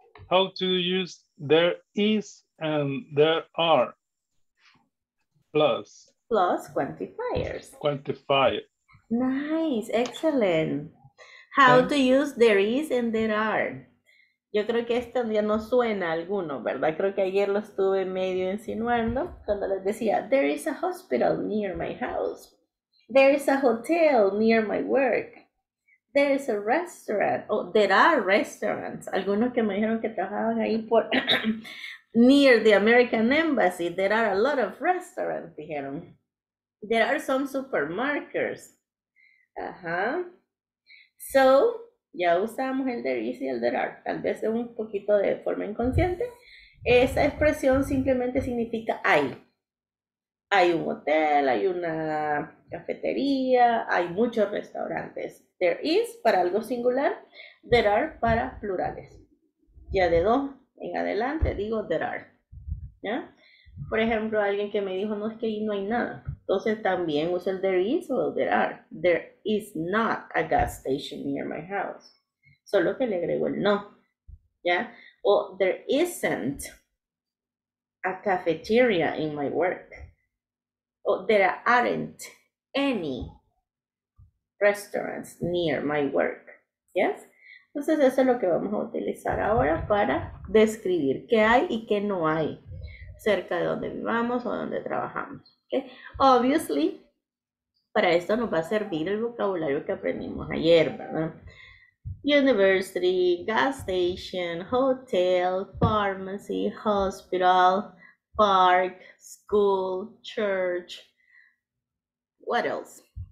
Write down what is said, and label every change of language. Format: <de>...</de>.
<en>How to use there is and there are. Plus quantifiers. Nice, excellent. How to use there is and there are.</en> <es>Yo creo que este ya no suena a alguno, ¿verdad? Creo que ayer lo estuve medio insinuando cuando les decía,</es> <en>there is a hospital near my house. There is a hotel near my work. There is a restaurant. Oh, there are restaurants.</en> <es>Algunos que me dijeron que trabajaban ahí por</es> <en>near the American Embassy. There are a lot of restaurants, dijeron. There are some supermarkets. Ajá.</en> <es>So, ya usamos el there is y el there are. Tal vez un poquito de forma inconsciente. Esa expresión simplemente significa hay. Hay un hotel, hay una cafetería, hay muchos restaurantes. There is para algo singular, there are para plurales. Ya de dos en adelante digo there are. ¿Ya? Por ejemplo, alguien que me dijo, no, es que ahí no hay nada. Entonces también uso el there is o el there are.</es> <en>There is not a gas station near my house.</en> <es>Solo que le agrego el no. ¿Ya? O</es> <en>there isn't a cafeteria in my work. O there aren't any restaurants near my work. ¿Yes?</en> <es>Entonces eso es lo que vamos a utilizar ahora para describir qué hay y qué no hay cerca de donde vivamos o donde trabajamos. ¿Okay? Obviously, para esto nos va a servir el vocabulario que aprendimos ayer, ¿verdad?</es> <en>University, gas station, hotel, pharmacy, hospital, park, school, church. What else?</en>